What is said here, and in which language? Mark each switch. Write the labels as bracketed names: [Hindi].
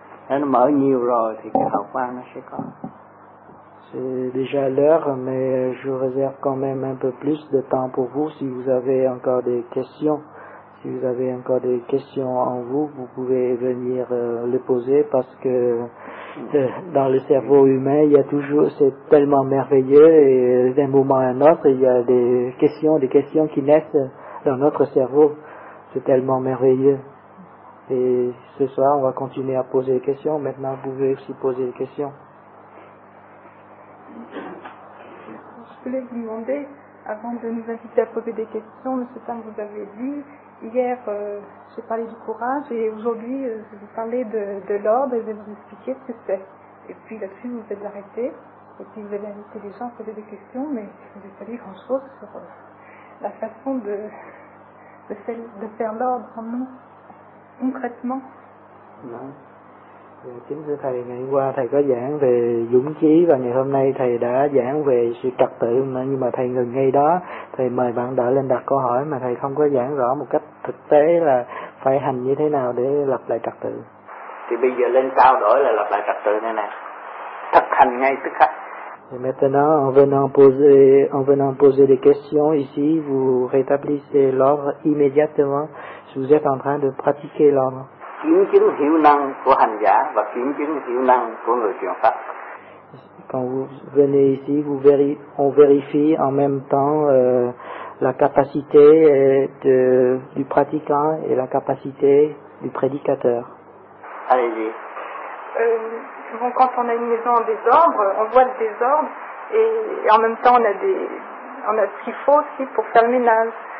[Vietnamese] Nếu nó mở nhiều rồi thì cái hậu quả nó sẽ có. [French] C'est déjà l'heure, mais je réserve quand même un peu plus de temps pour vous si vous avez encore des questions. Si vous avez encore des questions en vous, vous pouvez venir les poser parce que dans le cerveau humain, il y a toujours, c'est tellement merveilleux et d'un moment à un autre, il y a des questions qui naissent dans notre cerveau. C'est tellement merveilleux. Et ce soir, on va continuer à poser des questions. Maintenant, vous pouvez aussi poser des questions. Je voulais vous demander, avant de nous inviter à poser des questions, M. Tang, vous avez vu, hier, j'ai parlé du courage et aujourd'hui, je vais vous parler de l'ordre et je vais vous expliquer ce que c'est. Et puis là-dessus, vous êtes arrêté et puis vous avez invité les gens à poser des questions, mais je n'ai pas dit grand-chose sur la façon de faire l'ordre en nous, concrètement. Non. [Vietnamese] Chính thưa thầy, ngày hôm qua thầy có giảng về dũng chí và ngày hôm nay thầy đã giảng về sự trật tự, nhưng mà thầy ngừng ngay đó. Thầy mời bạn đợi lên đặt câu hỏi mà thầy không có giảng rõ một cách thực tế là phải hành như thế nào để lập lại trật tự. Thì bây giờ lên trao đổi là lập lại trật tự này nè. Thực hành ngay tức khắc. [French] Et maintenant, en venant poser des questions ici, vous rétablissez l'ordre immédiatement si vous êtes en train de pratiquer l'ordre. [Vietnamese] Kiểm chứng hiệu năng của hành giả và kiểm chứng hiệu năng của người truyền pháp. [French] Quand vous venez ici, on vérifie en même temps la capacité du pratiquant et la capacité du prédicateur. Allez-y. Bon, quand on a une maison en désordre, on voit le désordre et en même temps on a ce qu'il faut aussi pour faire le ménage.